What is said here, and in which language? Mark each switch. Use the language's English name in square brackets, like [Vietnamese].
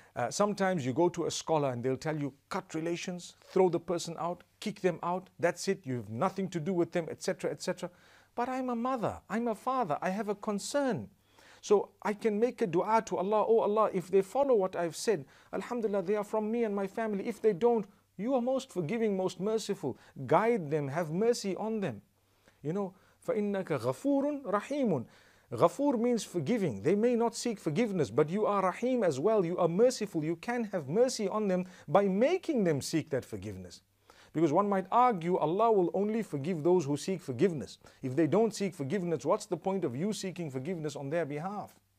[English] Sometimes you go to a scholar and they'll tell you, cut relations, throw the person out, kick them out, that's it, you have nothing to do with them, etc., etc. But I'm a mother, I'm a father, I have a concern. So I can make a dua to Allah, "Oh Allah, if they follow what I've said, alhamdulillah, they are from me and my family. If they don't, you are most forgiving, most merciful. Guide them, have mercy on them." You know, [Arabic] فَإِنَّكَ غَفُورٌ رَحِيمٌ. [English] Ghafoor means forgiving. They may not seek forgiveness, but you are Rahim as well. You are merciful. You can have mercy on them by making them seek that forgiveness. Because one might argue, Allah will only forgive those who seek forgiveness. If they don't seek forgiveness, what's the point of you seeking forgiveness on their behalf?